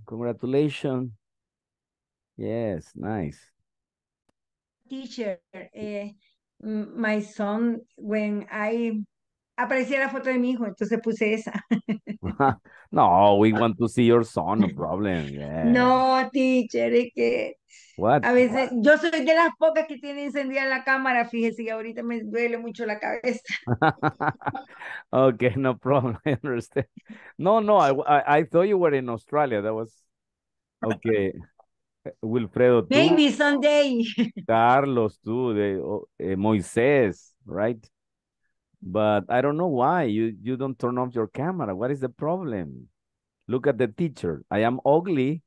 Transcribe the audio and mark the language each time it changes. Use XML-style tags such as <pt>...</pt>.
<en>Congratulations. Yes, nice.</en> <es>Teacher, my son, when I apareció la foto de mi hijo, entonces puse esa.</es> <en>No, we want to see your son, no problem. Yeah.</en> <es>No, teacher, es que</es> <en>what?</en> <es>A veces,</es> <en>what?</en> <es>Yo soy de las pocas que tiene encendida la cámara, fíjese, y ahorita me duele mucho la cabeza.</es> <en>Okay, no problem, I understand. No, I thought you were in Australia, that was, okay.</en> <es>Wilfredo, tú.</es> <en>Maybe someday. Carlos, tú, Moisés, right? But I don't know why you don't turn off your camera. What is the problem? Look at the teacher. I am ugly.</en>